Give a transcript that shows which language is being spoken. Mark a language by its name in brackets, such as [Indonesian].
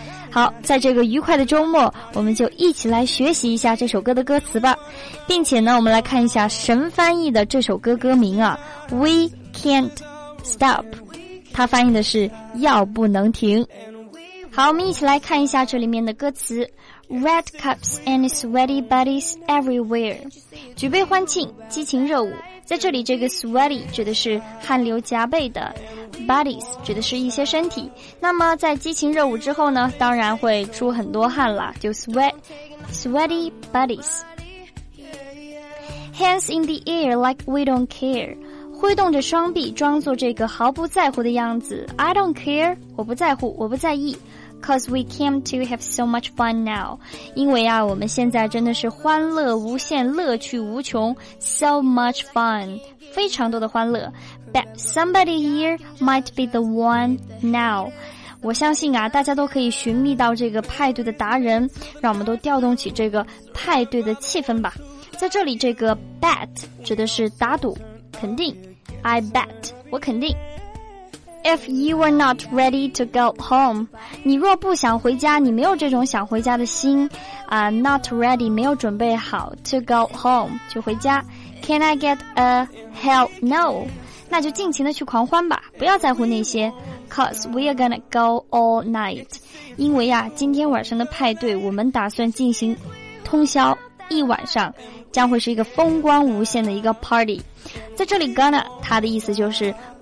[Chinese] 好，在这个愉快的周末，我们就一起来学习一下这首歌的歌词吧，并且呢，我们来看一下神翻译的这首歌歌名啊 We Can't Stop， 它翻译的是要不能停。好，我们一起来看一下这里面的歌词。 [English] Red cups and sweaty bodies everywhere， [Chinese] 举杯欢庆，激情热舞。在这里这个 sweaty 指的是汗流浃背的， bodies 指的是一些身体，那么在激情热舞之后呢，当然会出很多汗啦，就 sweaty bodies。 [English] Hands in the air like we don't care， [Chinese] 挥动着双臂装作这个毫不在乎的样子。 [English] I don't care， [Chinese] 我不在乎，我不在意。 [English] Cause we came to have so much fun now， [Chinese] 因为啊，我们现在真的是欢乐无限，乐趣无穷。 [English] So much fun， [Chinese] 非常多的欢乐。 [English] But somebody here might be the one now， [Chinese] 我相信啊，大家都可以寻觅到这个派对的达人，让我们都调动起这个派对的气氛吧。在这里这个 bet 指的是打赌，肯定。 [English] I bet， [Chinese] 我肯定。 [English] If you are not ready to go home， [Chinese] 你若不想回家，你没有这种想回家的心啊。 [English] Not ready， [Chinese] 没有准备好 [English] to go home， [Chinese] 去回家。 [English] Can I get a hell no？ [Chinese] 那就尽情的去狂欢吧，不要在乎那些。 [English] Cause we are gonna go all night， [Chinese] 因为啊，今天晚上的派对，我们打算进行通宵一晚上，将会是一个风光无限的一个 party。在这里 gonna， 它的意思就是。